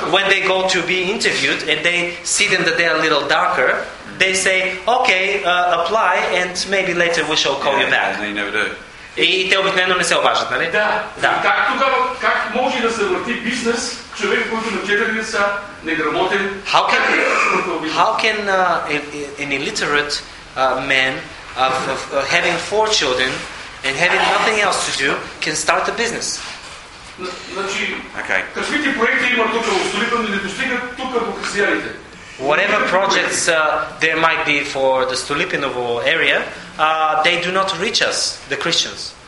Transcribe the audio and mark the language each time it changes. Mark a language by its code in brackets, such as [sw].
[en] When they go to be interviewed and they see them that they're a little darker, they say, okay, apply and maybe later we shall call you back. And they never do. [bg] И те обикновено не се обаждат, нали? Да. Да. Как тогава, как може да се върти бизнес човек, който на 4 деца неграмотен? [en] How can an illiterate man of having 4 children and having nothing else to do can start a business? [bg] Значи, okay. Каквите проекти има тук в Столипан или достигат тук в християните? [en] Whatever projects there might be for the Stolypinovo area, they do not reach us, the Christians.